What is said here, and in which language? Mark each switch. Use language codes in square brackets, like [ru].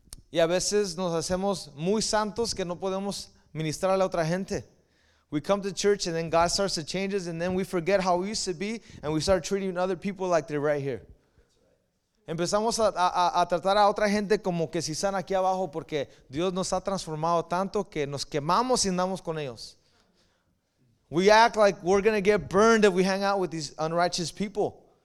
[es] Y a veces nos hacemos muy santos que no podemos ministrar a la otra gente. [en] We come to church and then God starts to change us, and then we forget how we used to be and we start treating other people like they're right here. [es] Empezamos a tratar a otra gente como que si están aquí abajo porque Dios nos ha transformado tanto que nos quemamos y andamos con ellos. [en] We act like we're going to get burned if we hang out with these unrighteous people.